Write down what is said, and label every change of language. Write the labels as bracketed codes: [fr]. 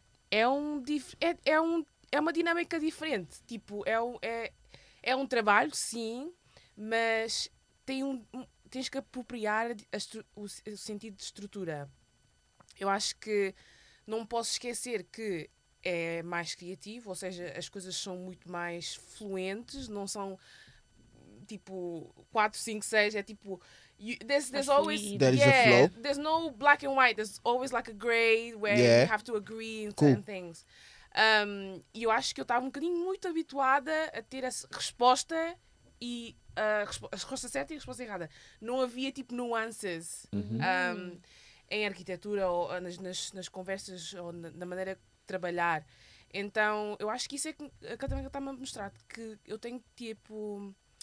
[pt] É uma dinâmica diferente, tipo, é um trabalho, sim, mas tens que apropriar o sentido de estrutura. Eu acho que não posso esquecer que é mais criativo, ou seja, as coisas são muito mais fluentes, não são, tipo, 4, 5, 6, é tipo... [en] There's no black and white, there's always like a gray where you have to agree in certain things. [pt] E eu acho que eu estava um bocadinho muito habituada a ter a resposta e a resposta certa e a resposta errada. Não havia tipo nuances em arquitetura ou nas conversas ou na maneira de trabalhar. Então eu acho que isso é que também está-me a mostrar que eu tenho tipo.